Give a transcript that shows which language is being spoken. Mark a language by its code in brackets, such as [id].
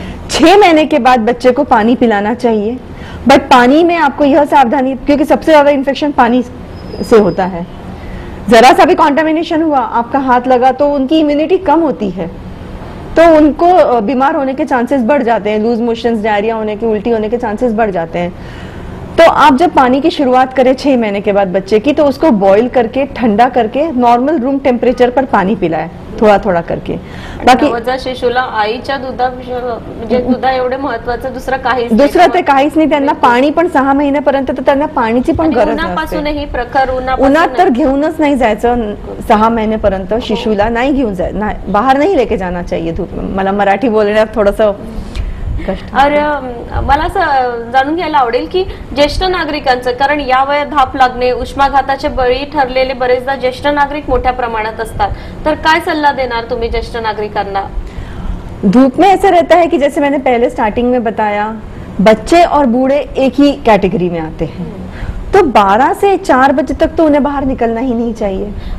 [hi] 6 महीने के बाद बच्चे को पानी पिलाना चाहिए, बट पानी में आपको यह सावधानी, क्योंकि सबसे ज्यादा इन्फेक्शन पानी से होता है, जरा सा भी कॉन्टामिनेशन हुआ, आपका हाथ लगा तो उनकी इम्यूनिटी कम होती है तो उनको बीमार होने के चांसेस बढ़ जाते हैं, लूज मोशंस, डायरिया होने के, उल्टी होने के चांसेस बढ़ जाते हैं। तो आप जब पानी की शुरुआत करें 6 महीने के बाद बच्चे की, तो उसको बॉईल करके, ठंडा करके, नॉर्मल रूम टेम्परेचर पर पानी पिलाएं। थोड़ा थोड़ा करके. [mr] बाकी नवजात शिशुला आईच्या दुधापेक्षा दूध एवढे महत्त्वाचं दुसरं काहीच नाही. दुसरं ते काहीच नाही. त्यांना पाणी पण 6 महिन्यापर्यंत तर त्यांना पाणीची पण गरज असते. उन्हापासूनही प्रखर उन्हात तर घेऊनच नाही जायचं 6 महिन्यापर्यंत शिशुला. नाही घेऊन जाय बाहेर नाही [hi] लेके जाना चाहिए धूप. [mr] मला मराठी बोलण्यात थोडस कष्ट. अरे मला असं जाणून घ्यायला आवडेल की ज्येष्ठ नागरिकांचं, कारण या वयात धाप लागणे, उष्माघाताचे बळी ठरलेले बरेचदा ज्येष्ठ नागरिक मोठ्या प्रमाणात असतात, तर काय सल्ला देणार तुम्ही ज्येष्ठ नागरिकांना? [hi] धूप में ऐसा रहता है कि जैसे मैंने पहले स्टार्टिंग में बताया, बच्चे और बूढ़े एक ही कैटेगरी में आते हैं, तो 12 से 4 बजे तक तो उन्हें बाहर निकलना ही नहीं चाहिए.